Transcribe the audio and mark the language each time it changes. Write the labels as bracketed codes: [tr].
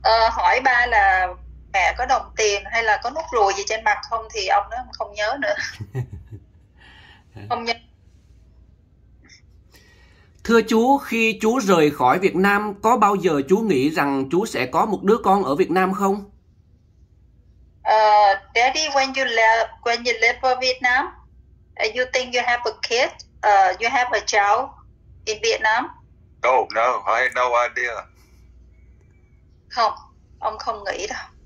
[vi] Hỏi ba là mẹ có đồng tiền hay là có nốt ruồi gì trên mặt không thì ông nó không nhớ nữa. Không nhớ. Thưa chú, khi chú rời khỏi Việt Nam, có bao giờ chú nghĩ rằng chú sẽ có một đứa con ở Việt Nam không? [en] Daddy, when you live for Vietnam, you think you have a kid, you have a child in Vietnam? Oh, no, I had no idea. [vi] Không, ông không nghĩ đâu.